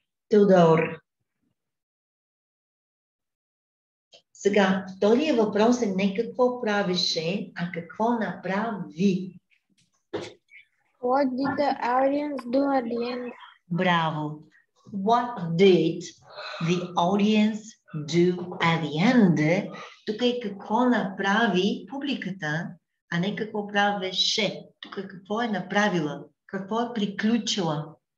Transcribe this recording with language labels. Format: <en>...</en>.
<bg>Тодор. Сега, втория въпрос е не какво правеше, а какво направи.</bg> <en>What did the audience do at the end?</en> <bg>Браво.</bg> <en>What did the audience do at the end?</en> <bg>Тук е какво направи публиката, а не какво правеше. Тук е какво е направила, какво е приключила.</bg>